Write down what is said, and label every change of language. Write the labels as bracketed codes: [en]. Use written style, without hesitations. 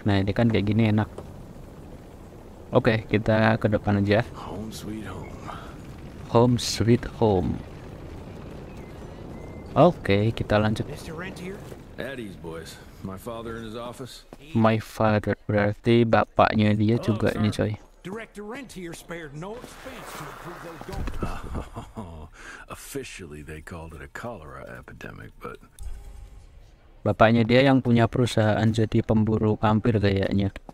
[id] Nah ini kan kayak gini enak. Oke, kita ke depan aja. [en] Home sweet home. Home sweet home. [id] Oke, kita lanjut. [en] Eddie's boys. My father in his office. [id] My father, berarti bapaknya dia juga ini coy. [en] Director Rent here spared no expense to improve those dorms. Officially they called it a cholera epidemic, but [id] bapaknya dia yang punya perusahaan jadi pemburu vampir kayaknya.